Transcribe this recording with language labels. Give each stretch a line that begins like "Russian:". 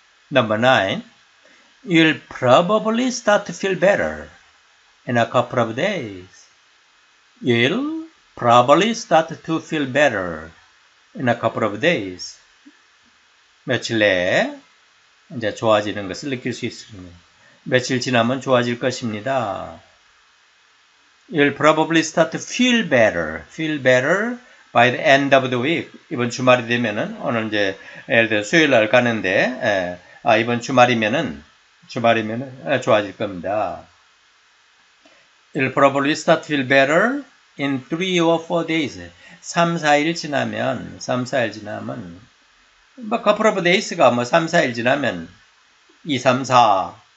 English: 9. You'll probably start to feel better in a couple of days. You'll probably start to feel better in a couple of days.
Korean: 며칠 내에 이제 좋아지는 것을 느낄 수 있습니다. 며칠 지나면 좋아질 것입니다.
English: You'll probably start to feel better by the end of the week.
Korean: 이번 주말이 되면은 오늘 이제 예를 들어 수요일 날 가는데 예, 아 이번 주말이면은 예, 좋아질 겁니다.
English: You'll probably start to feel better in 3 or 4 days.
Korean: 3, 4일 지나면,
English: but couple of days
Korean: 가 뭐 3, 4일 지나면, 2, 3, 4.